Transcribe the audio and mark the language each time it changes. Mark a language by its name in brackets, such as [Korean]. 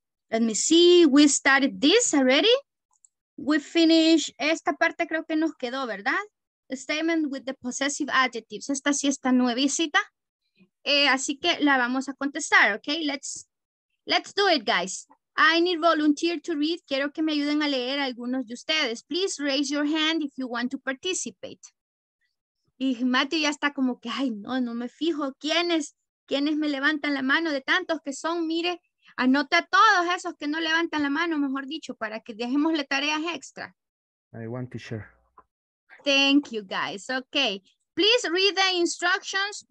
[English] Let me see, we started this already. We finished, [Spanish] esta parte creo que nos quedó, ¿verdad? [English] A statement with the possessive adjectives. [Spanish] Esta sí está nuevecita. Así que la vamos a contestar, ¿ok? [English] Let's do it, guys. I need volunteer to read. [Spanish] Quiero que me ayuden a leer a algunos de ustedes. [English] Please raise your hand if you want to participate. [Spanish] Y Mateo ya está como que, ay, no me fijo. ¿Quiénes me levantan la mano de tantos que son? Mire. Anota a todos esos que no levantan la mano, mejor dicho, para que dejemosle tareas extra. [English] I want to share. Thank you, guys. Okay. Please read the instructions.